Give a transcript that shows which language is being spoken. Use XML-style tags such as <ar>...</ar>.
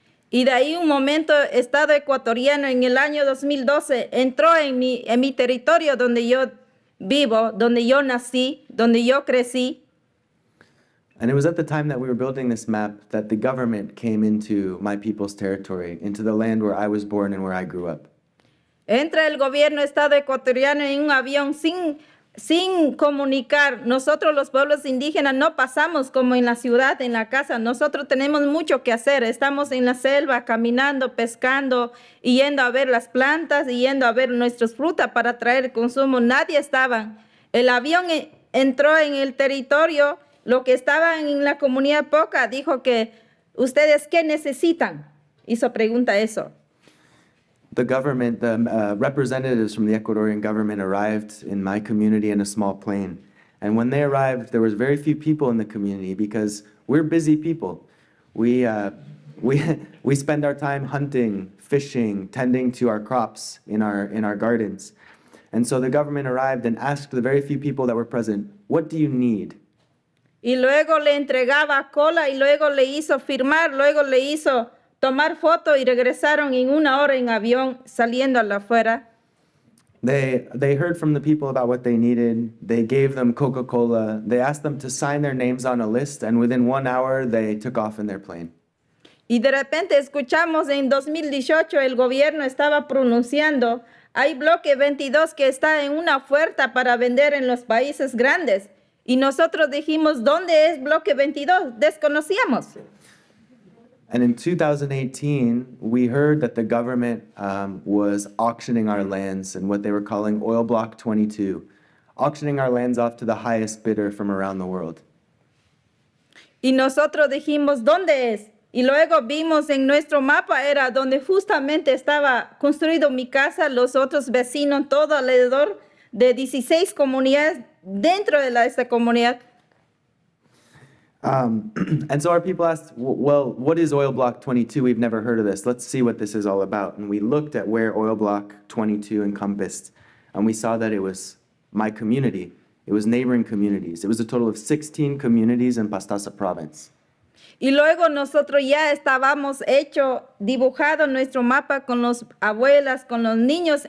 <es>Y de ahí un momento, Estado ecuatoriano en el año 2012 entró en mi territorio donde yo vivo, donde yo nací, donde yo crecí.</es> <en>And it was at the time that we were building this map that the government came into my people's territory, into the land where I was born and where I grew up.</en> <es>Entra el gobierno Estado ecuatoriano en un avión sin comunicar. Nosotros los pueblos indígenas no pasamos como en la ciudad, en la casa. Nosotros tenemos mucho que hacer. Estamos en la selva, caminando, pescando, yendo a ver las plantas, yendo a ver nuestras frutas para traer consumo. Nadie estaba. El avión entró en el territorio. Lo que estaban en la comunidad poca dijo que, ¿ustedes qué necesitan? Hizo pregunta eso.</es> <en>The government, the representatives from the Ecuadorian government arrived in my community in a small plane. And when they arrived, there was very few people in the community because we're busy people. We spend our time hunting, fishing, tending to our crops in our gardens. And so the government arrived and asked the very few people that were present, what do you need?</en> <es>Y luego le entregaba cola y luego le hizo firmar, luego le hizo tomar foto y regresaron en una hora en avión saliendo a la afuera.</es> <en>They heard from the people about what they needed. They gave them Coca-Cola. They asked them to sign their names on a list, and within 1 hour, they took off in their plane.</en> <es>Y de repente escuchamos en 2018, el gobierno estaba pronunciando, hay bloque 22 que está en una oferta para vender en los países grandes. Y nosotros dijimos, ¿dónde es bloque 22? Desconocíamos.</es> <en>And in 2018, we heard that the government was auctioning our lands and what they were calling Oil Block 22, auctioning our lands off to the highest bidder from around the world.</en> <es>Y nosotros dijimos, ¿dónde es? Y luego vimos en nuestro mapa era donde justamente estaba construido mi casa, los otros vecinos, todo alrededor de 16 comunidades dentro de esta comunidad.</es> <en>And so our people asked, well, what is Oil Block 22? We've never heard of this. Let's see what this is all about. And we looked at where Oil Block 22 encompassed, and we saw that it was my community. It was neighboring communities. It was a total of 16 communities in Pastaza province.</en> <es>Y luego nosotros ya estábamos hecho, dibujado nuestro mapa con los abuelas, con los niños.</es>